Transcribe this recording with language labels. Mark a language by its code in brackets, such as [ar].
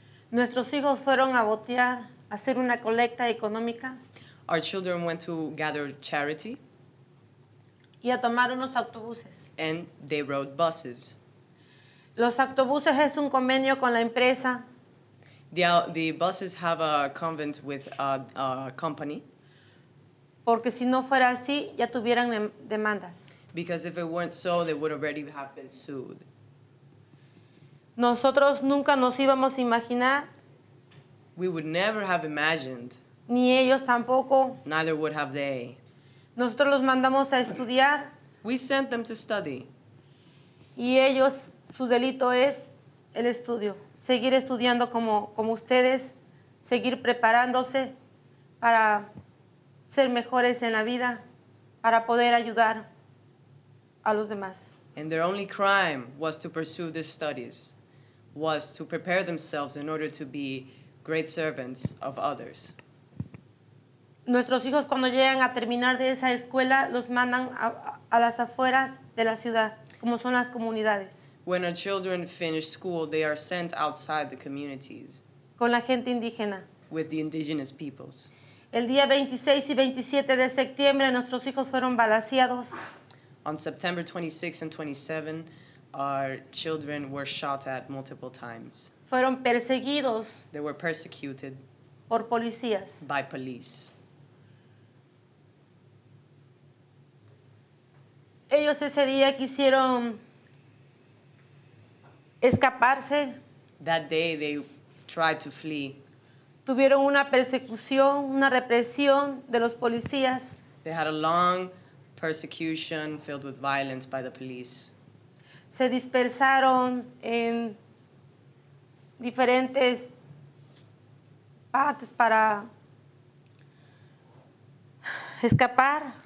[es] Nuestros hijos fueron a botear, a hacer una colecta económica. [en] Our children went to gather charity. [es] Y a tomar unos autobuses. [en] And they rode buses. [es] Los autobuses es un convenio con la empresa. [en] The buses have a convent with a company. [es] Porque si no fuera así, ya tuvieran demandas. [en] Because if it weren't so, they would already have been sued. [es] Nosotros nunca nos íbamos a imaginar. [en] We would never have imagined. [es] Ni ellos tampoco. [en] Neither would have they. [es] Nosotros los mandamos a estudiar. [en] We sent them to study. [es] Y ellos, su delito es el estudio, seguir estudiando como ustedes, seguir preparándose para ser mejores en la vida, para poder ayudar a los demás. [en] And their only crime was to pursue these studies, was to prepare themselves in order to be great servants of others. [es] Nuestros hijos cuando llegan a terminar de esa escuela los mandan a las afueras de la ciudad, como son las comunidades. [en] When our children finish school, they are sent outside the communities. [es] Con la gente indígena. [en] With the indigenous peoples. [es] El día 26 y 27 de septiembre, nuestros hijos fueron balaceados. [en] On September 26 and 27, our children were shot at multiple times. [es] Fueron perseguidos. [en] They were persecuted. [es] Por policías. [en] By police. [es] Ellos ese día quisieron escaparse. [en] That day they tried to flee. [es] Tuvieron una persecución, una represión de los policías. [en] They had a long persecution filled with violence by the police. [es] Se dispersaron en diferentes partes para escapar.